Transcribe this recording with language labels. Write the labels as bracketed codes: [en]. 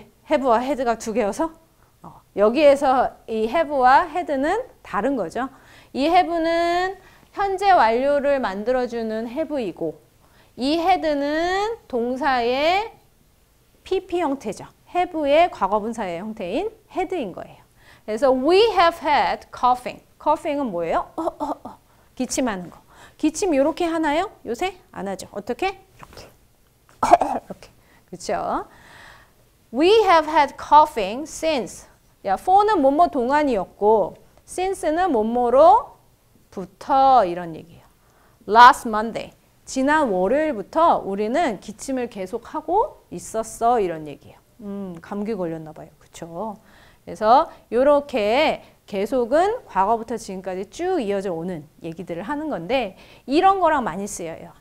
[ko] have와 had가 두 개여서? 여기에서 이 have와 had는 다른 거죠. 이 have는 현재 완료를 만들어주는 have이고 이 had는 동사의 PP 형태죠. have의 과거분사의 형태인 had인 거예요. [en] 그래서 we have had coughing. [ko] coughing은 뭐예요? 기침하는 거. 기침 이렇게 하나요? 요새? 안 하죠. 어떻게? 이렇게. 이렇게. 그렇죠? [en] We have had coughing since. [ko] 야, for는 뭐뭐 동안이었고 since는 뭐뭐로 부터 이런 얘기예요. [en] Last Monday. [ko] 지난 월요일부터 우리는 기침을 계속하고 있었어. 이런 얘기예요. 감기 걸렸나 봐요. 그렇죠? 그래서 이렇게 계속은 과거부터 지금까지 쭉 이어져 오는 얘기들을 하는 건데 이런 거랑 많이 쓰여요.